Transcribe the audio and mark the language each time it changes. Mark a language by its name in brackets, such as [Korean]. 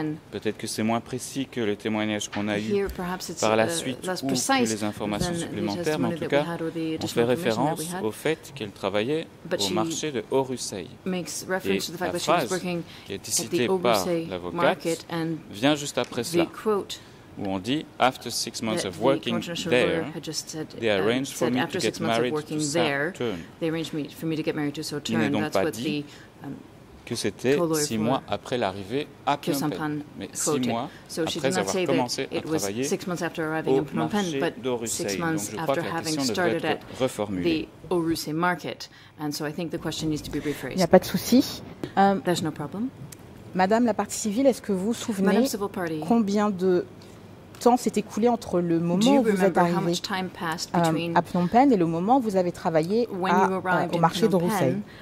[French] peut-être que c'est moins précis que le témoignage qu'on a eu par la suite ou que les informations supplémentaires, mais en tout cas, on fait référence au fait qu'elle travaillait au marché de Orusei. Et la phrase qui a été citée par l'avocate vient juste après cela. Où on dit, [English] after 6 months of working there, they arranged for me to get married to Saturn. They arranged for me to get married to Saturn. [French] Il n'est donc pas dit que c'était 6 mois après l'arrivée à Phnom Penh, mais 6 mois après avoir commencé à travailler au marché d'Orusei. Donc je crois que la question devrait être reformulée. [English] Orusei market, and so I think the question needs to be rephrased. [French] Il n'y a pas de souci. [English] There's no problem. [French] Madame la partie civile, est-ce que vous souvenez combien de temps s'est écoulé entre le moment où vous êtes arrivé à Phnom Penh et le moment où vous avez travaillé au marché d'Orusei?